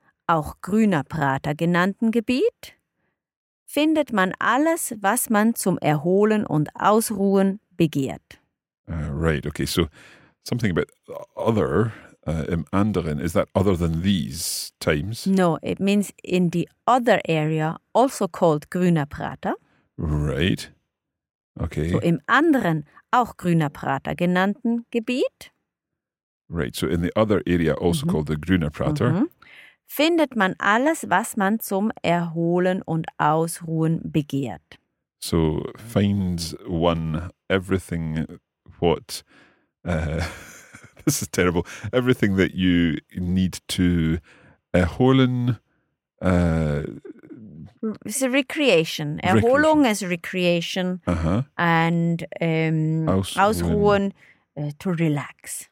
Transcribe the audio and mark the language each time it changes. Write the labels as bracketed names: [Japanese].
[German] auch grüner Prater genannten Gebiet, findet man alles, was man zum Erholen und Ausruhen begehrt. [English] Right, okay, so something about other, im anderen, is that other than these times? No, it means in the other area, also called grüner Prater. Right, okay. [German] So im anderen, auch grüner Prater genannten Gebiet. [English] Right, so in the other area, also called the grüner Prater. [German] Findet man alles, was man zum Erholen und Ausruhen begehrt. [English] So, finds one everything what, this is terrible, everything that you need to erholen. It's a recreation. Erholung is recreation. And Ausruhen. To relax.